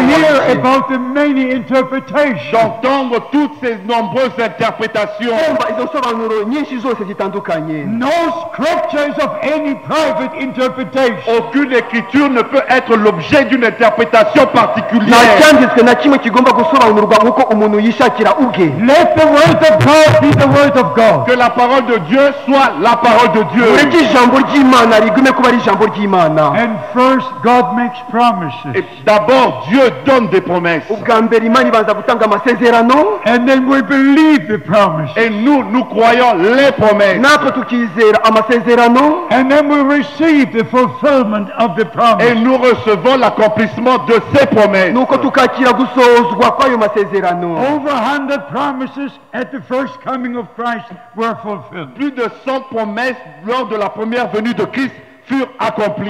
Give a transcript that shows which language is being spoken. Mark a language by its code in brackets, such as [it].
[en] To hear about the many interpretations. [fr] J'entends toutes ces nombreuses interprétations. [rw] Izo sobanuro nyinshi zose zitandukanye. [en] No scripture is of any private interpretation. [fr] Aucune écriture ne peut être l'objet d'une interprétation particulière. [rw] Nacyanditswe na kimwe kigomba gusobanurwa nkuko umuntu yishakira ubwe. [en] Let the word of God be the word of God. [fr] Que la parole de Dieu soit la parole de Dieu. [rw] Ureke ijambo ry'Imana rigume kuba ari ijambo ry'Imana. [en] And first God makes promises. [fr] Et d'abord Dieu donne des promesses. [rw] Ugambere Imana ibanza gutanga amasezerano. [en] And then we believe the promises. [fr] Et nous croyons les promesses. [rw] Natwe tukizera amasezerano. [en] And then we receive the fulfillment of the promise. [fr] Et nous recevons l'accomplissement de ces promesses. [rw] Nuko tukakira gusozwa kwa ayo masezerano. [en] Over 100 promises at the first coming of Christ were fulfilled. [fr] Plus de 100 promesses lors de la première venue de Christ furent accomplies.